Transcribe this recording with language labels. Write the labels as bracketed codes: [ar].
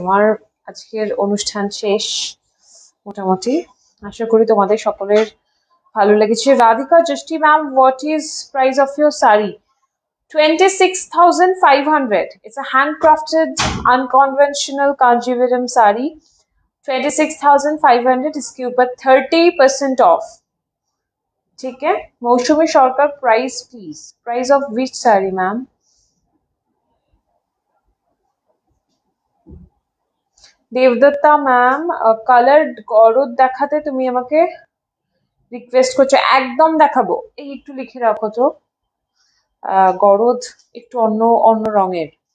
[bn] আমার আজকের অনুষ্ঠান শেষ মোটামুটি, আশা করি তোমাদের সকলের ভালো লেগেছে। Radhika জ্যোষ্ঠী ma'am, [en] What is price of your sari? 26,500. It's a handcrafted, unconventional Kanjivaram sari. 26,500 is cute, but 30% off. [hi] ठीक है, [en] Mousumi Sarkar price please, price of which sari ma'am? [bn] Debdatta ma'am colour গরদ দেখাতে তুমি আমাকে রিকোয়েস্ট করছো, একদম দেখাবো, এই একটু লিখে রাখো তো, গরদ একটু অন্য অন্য রঙের।